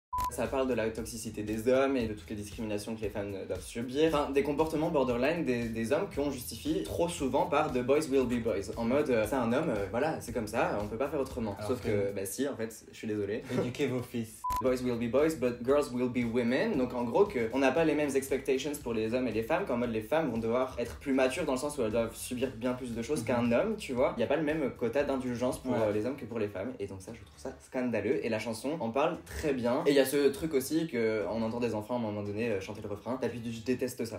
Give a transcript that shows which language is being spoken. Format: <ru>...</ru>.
<fr>Ça parle de la toxicité des hommes et de toutes les discriminations que les femmes doivent subir. Enfin, des comportements borderline des hommes qu'on justifie trop souvent par</fr> <en>The Boys Will Be Boys.</en> <fr>En mode, c'est un homme, voilà, c'est comme ça, on peut pas faire autrement. Alors sauf que, bah si, en fait, je suis désolé. Éduquez vos fils.</fr> <en>Boys will be boys, but girls will be women.</en> <fr>Donc en gros, qu'on n'a pas les mêmes expectations pour les hommes et les femmes, qu'en mode, les femmes vont devoir être plus matures dans le sens où elles doivent subir bien plus de choses qu'un homme, tu vois. Il n'y a pas le même quota d'indulgence pour les hommes que pour les femmes. Et donc ça, je trouve ça scandaleux. Et la chanson en parle très bien. Et il y a ce truc aussi qu'on entend des enfants à un moment donné chanter le refrain. T'as vu, je déteste ça.</fr>